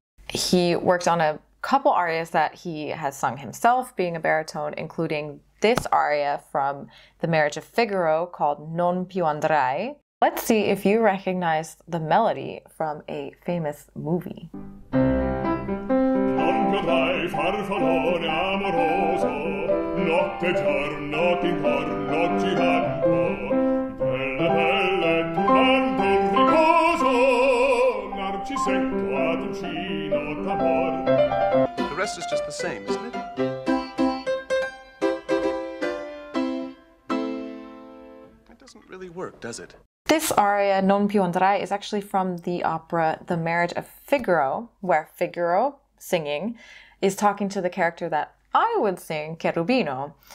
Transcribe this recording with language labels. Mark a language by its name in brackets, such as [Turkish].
[English] He worked on a couple arias that he has sung himself, being a baritone, including this aria from The Marriage of Figaro called Non più andrai. Let's see if you recognize the melody from a famous movie. [Italian] Non più andrai, farfallone amoroso, notte giorno ti parlo girando, belle belle durante il riposo, narcisetto ad uncino d'amor. [English] The rest is just the same, isn't it? Really work, does it? This aria, Non più andrai, is actually from the opera The Marriage of Figaro, where Figaro, singing, is talking to the character that I would sing, Cherubino.